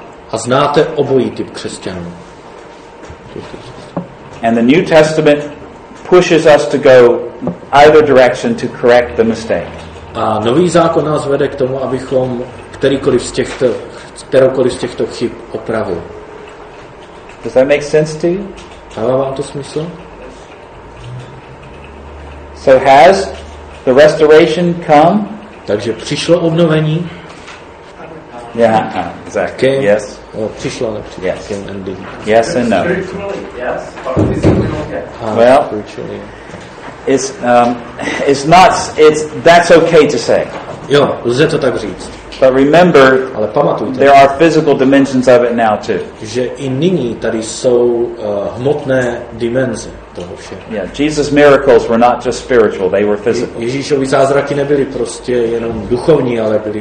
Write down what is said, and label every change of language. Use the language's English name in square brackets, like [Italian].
[Czech] A znáte obojí typ křesťanů. [English] And the New Testament pushes us to go either direction to correct the mistake. [Czech] A nový zákon nás vede k tomu, abychom kteroukoliv z těchto chyb opravili. [English] Does that make sense to you? [Czech] Dává vám to smysl? [English] So has the restoration come? [Czech] Takže přišlo obnovení. [English] Yeah, exactly. Came, yes. [Czech] Přišlo, nepřišlo, [English] yes. Came and did. Yes and no. Yes. Okay. Well, spiritually. It's that's okay to say. [Czech] Jo, lze to tak říct. [English] But remember, [Czech] ale pamatujte, [English] there are physical dimensions of it now too. [Czech] Že i nyní tady jsou hmotné dimenze toho všeho. [English] Yeah, Jesus' miracles were not just spiritual; they were physical. [Czech] Ježíšovy zázraky nebyly prostě jenom duchovní, ale byly.